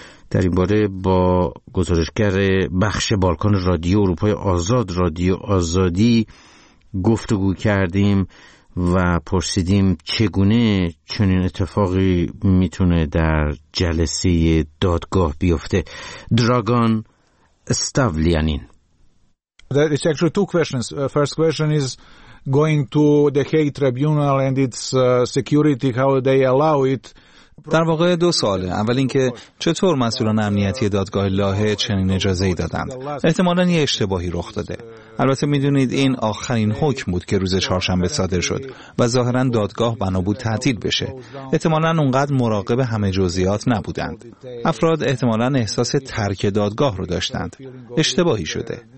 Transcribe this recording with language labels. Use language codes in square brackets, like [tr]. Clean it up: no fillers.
[fa] در این باره با گزارشگر بخش بالکان رادیو اروپای آزاد، رادیو آزادی، گفتگو کردیم و پرسیدیم چگونه چنین اتفاقی میتونه در جلسه دادگاه بیفته. دراگان استاولیانین. [en] There is actually two questions. First question is going to the Hague tribunal and its security, how they allow it. [fa] در واقع دو سواله. اول اینکه چطور مسئولان امنیتی دادگاه لاهه چنین اجازه ای دادند؟ احتمالاً یه اشتباهی رخ داده. البته میدونید این آخرین حکم بود که روز چهارشنبه صادر شد و ظاهراً دادگاه بنا بود تعطیل بشه. احتمالاً اونقدر مراقب همه جزئیات نبودند. افراد احتمالاً احساس ترک دادگاه رو داشتند. اشتباهی شده.